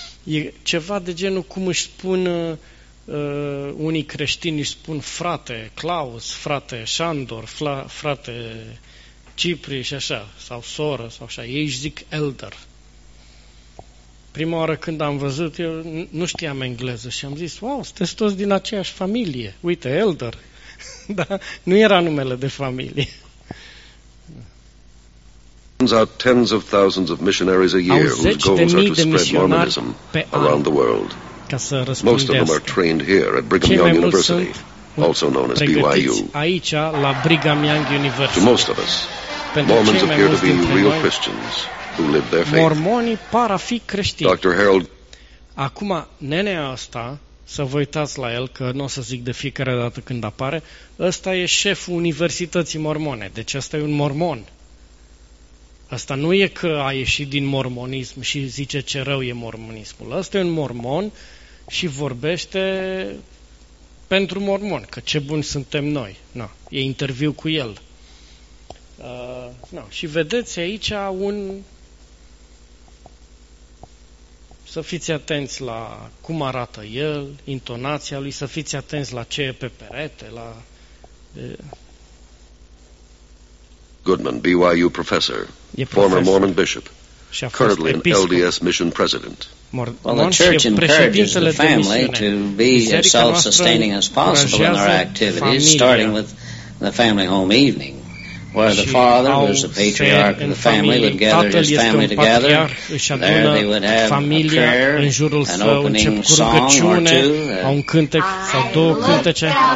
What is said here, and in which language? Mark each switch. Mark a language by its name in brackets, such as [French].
[Romanian] E ceva de genul cum își spun unii creștini, își spun frate Klaus, frate Sandor, frate Cipri și așa, sau soră, sau așa. Ei își zic elder. Prima oară când am văzut, eu nu știam engleză și am zis, wow, sunteți toți din aceeași familie, uite, elder. Da, nu era numele de familie. [English] Turns out tens of thousands of missionaries a year whose goals are to spread Mormonism around the world. [Romanian] ca să răspundească. Cei mai mulți sunt [English] also known as BYU. [Romanian] Aici, la Brigham Young University. [English] To most of us, Mormons appear to be real Christians who live their faith. [Romanian] Mormonii par a fi creștini. [English] Dr. Harold. [Romanian] Acum, nenea asta, să vă uitați la el, că n-o să zic de fiecare dată când apare, ăsta e șeful Universității Mormone. Deci ăsta e un mormon. Ăsta nu e că a ieșit din mormonism și zice ce rău e mormonismul. Ăsta e un mormon și vorbește pentru mormon, că ce buni suntem noi. Na, e interviu cu el. Na, și vedeți aici un... Să fiți atenți la cum arată el, intonația lui, să fiți atenți la ce e pe perete, la... [English] Goodman, BYU professor, former Mormon bishop, currently an LDS mission president. Well, the church encourages the family to be as self-sustaining as possible in their activities, starting with the family home evening, where the father, who is the patriarch of the family, would gather his family together. There they would have a prayer, an opening song or two. [Romanian] Un cântec sau două cântece.